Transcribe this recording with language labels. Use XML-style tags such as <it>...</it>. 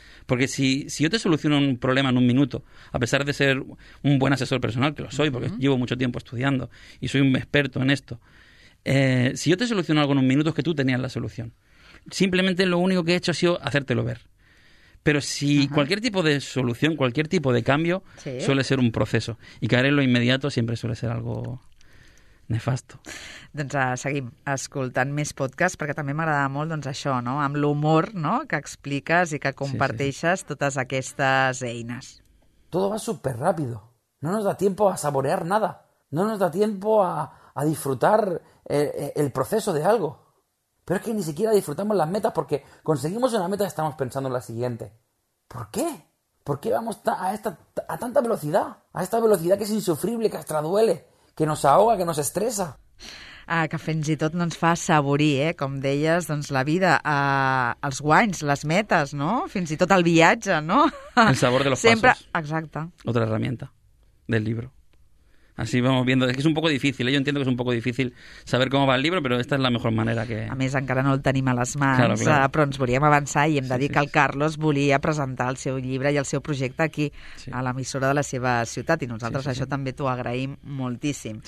<es>Porque si yo te soluciono un problema en un minuto, a pesar de ser un buen asesor personal, que lo soy, porque llevo mucho tiempo estudiando y soy un experto en esto, si yo te soluciono algo en un minuto es que tú tenías la solución. Simplemente lo único que he hecho ha sido hacértelo ver. Pero si cualquier tipo de solución, cualquier tipo de cambio, sí, suele ser un proceso. Y caer en lo inmediato siempre suele ser algo nefasto.</es> <ca>Doncs seguim escoltant més podcast, perquè també m'agrada molt, doncs, això, no? Amb l'humor, no? Que expliques i que comparteixes, sí, sí, sí, totes aquestes eines.</ca> <es>Todo va súper rápido. No nos da tiempo a saborear nada. No nos da tiempo a disfrutar el proceso de algo. Pero es que ni siquiera disfrutamos las metas porque conseguimos una meta y estamos pensando en la siguiente. ¿Por qué? ¿Por qué vamos a tanta velocidad? A esta velocidad que es insufrible, que hasta duele, que nos ahoga, que nos estresa.</es> <ca>Que fins i tot no ens fa saborir, com deies, doncs, la vida, els guanys, les metes, no? Fins i tot el viatge, no?</ca> <es>El sabor de los</es> <ca>sempre...</ca> <es>pasos.</es> <ca>Exacte.</ca> <es>Otra herramienta del libro. Así vamos viendo. Es que es un poco difícil, ¿eh? Yo entiendo que es un poco difícil saber cómo va el libro, pero esta es la mejor manera que...</es> <ca>A més, encara no el tenim a les mans,</ca> <es>claro, claro.</es> <ca>Però ens volíem avançar i hem de dir que el Carlos volia presentar el seu llibre i el seu projecte aquí, a l'emissora de la seva ciutat, i nosaltres això també t'ho agraïm moltíssim.</ca>